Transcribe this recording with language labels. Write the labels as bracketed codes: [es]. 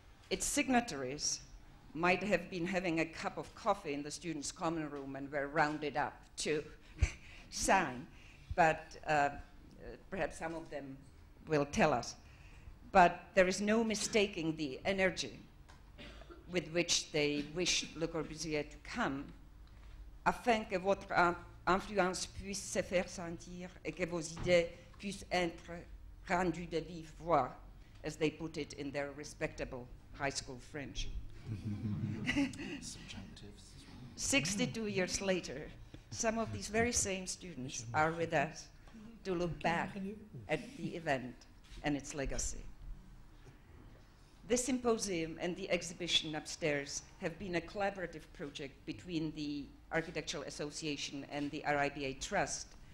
[en] Its signatories might have been having a cup of coffee in the students' common room and were rounded up to sign, but perhaps some of them will tell us. But there is no mistaking the energy with which they wished Le Corbusier to come. [fr] Afin que votre influence puisse se faire sentir et que vos idées puissent être rendues de vive voix, [en] as they put it in their respectable high school French. Subjunctives. 62 years later, some of these very same students are with us to look back at the event and its legacy. This symposium and the exhibition upstairs have been a collaborative project between the Architectural Association and the RIBA Trust,